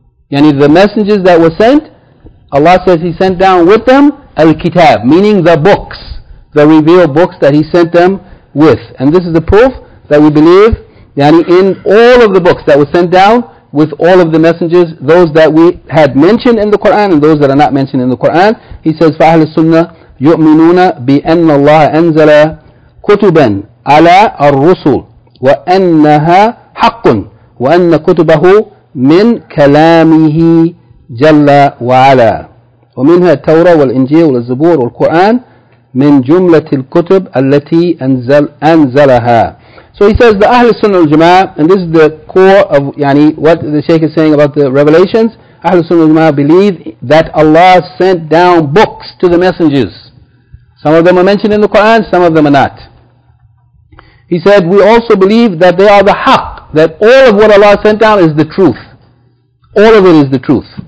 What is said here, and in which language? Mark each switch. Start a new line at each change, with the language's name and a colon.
English: Yani the messengers that were sent, Allah says He sent down with them Al-Kitab, meaning the books, the revealed books that He sent them with. And this is the proof that we believe, yani in all of the books that were sent down with all of the messengers, those that we had mentioned in the Quran and those that are not mentioned in the Quran. He says,
Arabic: فَأَهْلِ السُّنَّةِ يُؤْمِنُونَ بِأَنَّ اللَّهَ أَنزَلَ كُتُبًا على الرسل وأنها حق وأن كتبه من كلامه جل وعلا ومنها التوراة والإنجيل والزبور والقرآن من جملة الكتب التي أنزلها.
English: So he says the
Arabic: أهل السنة والجماعة,
English: and this is the core of يعني what the Shaykh is saying about the revelations, أهل السنة والجماعة believe that Allah sent down books to the messengers. Some of them are mentioned in the Quran, some of them are not. He said, we also believe that they are the haqq, that all of what Allah sent down is the truth. All of it is the truth.